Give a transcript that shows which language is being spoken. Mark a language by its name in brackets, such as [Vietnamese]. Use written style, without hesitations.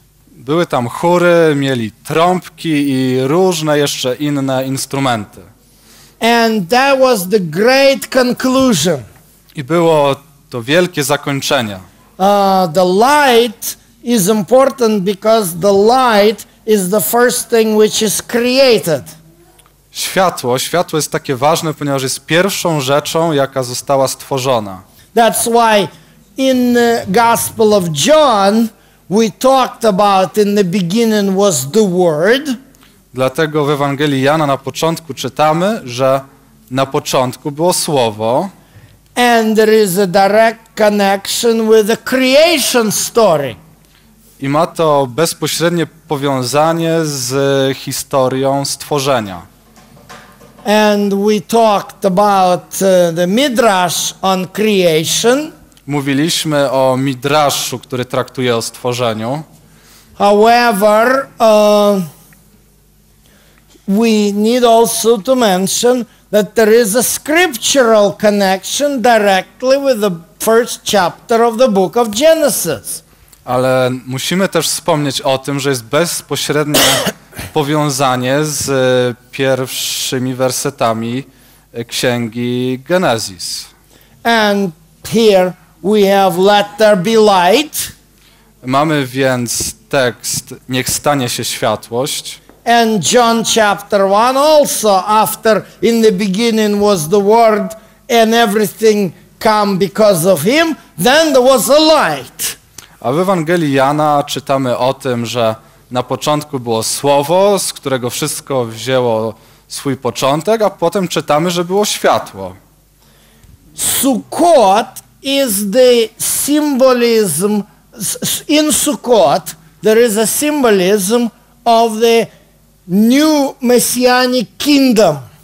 [Polish] Były tam chóry, mieli trąbki i różne jeszcze inne instrumenty. [English] And that was the great conclusion. [Polish] I było to wielkie zakończenie. [English] The light is important because the light is the first thing which is created. [Polish] Światło jest takie ważne, ponieważ jest pierwszą rzeczą, jaka została stworzona. [English] That's why in the Gospel of John we talked about in the beginning was the Word. [Polish] Dlatego w Ewangelii Jana na początku czytamy, że na początku było Słowo. [English] And there is a direct connection with the creation story. [Polish] I ma to bezpośrednie powiązanie z historią stworzenia. [English] And we talked about the Midrash on creation. [Polish] Mówiliśmy o Midraszu, który traktuje o stworzeniu. [English] However, we need also to mention that there is a scriptural connection directly with the first chapter of the book of Genesis. [Polish] Ale musimy też wspomnieć o tym, że jest bezpośrednie powiązanie z pierwszymi wersetami księgi Genesis. [English] And here we have let there be light. [Polish] Mamy więc tekst niech stanie się światłość. [English] And John chapter 1 also after in the beginning was the word and everything come because of him, then there was a light. [Polish] A w Ewangelii Jana czytamy o tym, że na początku było Słowo, z którego wszystko wzięło swój początek, a potem czytamy, że było światło. [English] Sukkot is the symbolism, in Sukkot there is a symbolism of the new messianic kingdom.